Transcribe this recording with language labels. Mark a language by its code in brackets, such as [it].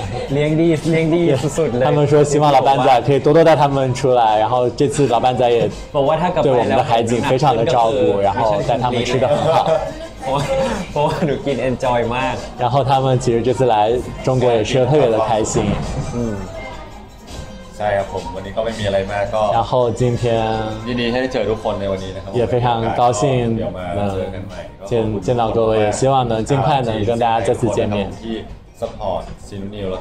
[zh] 连地连地也是顺利他们说希望老板仔可以多多带他们出来然后这次老板仔也对我们的海景非常的照顾然后带他们吃得很好我都给你 enjoy 吗然后他们其实这次来中国也吃得特别的开心 [th] ใช่ครับผมวันนี้ก็ไม่มีอะไรมากก็ [zh] 然后今天 [th] ยินดีให้เจอทุกคนในวันนี้นะครับ [zh] 也非常高兴能见到各位希望能尽快能跟大家再次见面 [th] ที่ support新都妞